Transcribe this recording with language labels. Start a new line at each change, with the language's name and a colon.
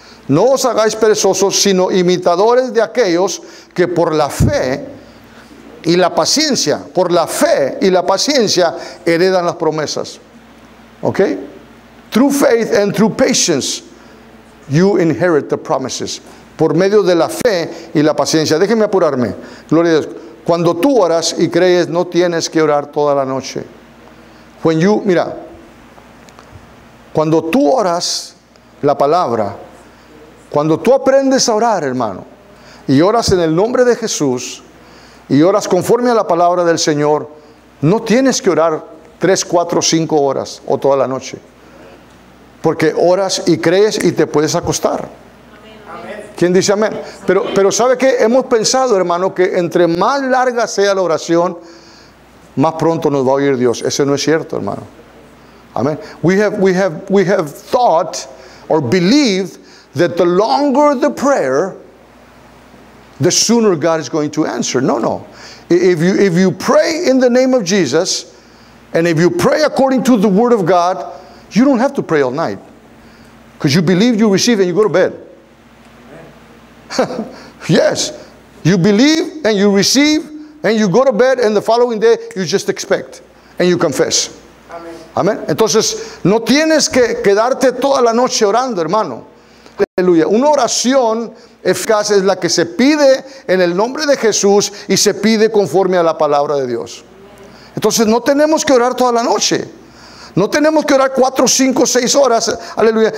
Spanish: No os hagáis perezosos, sino imitadores de aquellos que por la fe y la paciencia, por la fe y la paciencia, heredan las promesas. ¿Ok?
English: Through faith and through patience, you inherit the promises.
Spanish: Por medio de la fe y la paciencia. Déjenme apurarme. Gloria a Dios. Cuando tú oras y crees, no tienes que orar toda la noche. Mira. Cuando tú oras la palabra, cuando tú aprendes a orar, hermano, y oras en el nombre de Jesús, y oras conforme a la palabra del Señor, no tienes que orar 3, 4, 5 horas o toda la noche. Porque oras y crees y te puedes acostar. ¿Quién dice amén? Pero ¿sabe qué? Hemos pensado, hermano, que entre más larga sea la oración, más pronto nos va a oír Dios. Ese no es cierto, hermano. Amén.
English: We have thought or believed that the longer the prayer, the sooner God is going to answer. No, no. If you pray in the name of Jesus, and if you pray according to the word of God, you don't have to pray all night. Because you believe, you receive, and you go to bed. Yes, you believe and you receive and you go to bed, and the following day you just expect and you confess.
Spanish: Amén. Entonces no tienes que quedarte toda la noche orando, hermano. Aleluya. Una oración eficaz es la que se pide en el nombre de Jesús y se pide conforme a la palabra de Dios. Entonces no tenemos que orar toda la noche. No tenemos que orar 4, 5, 6 horas, aleluya.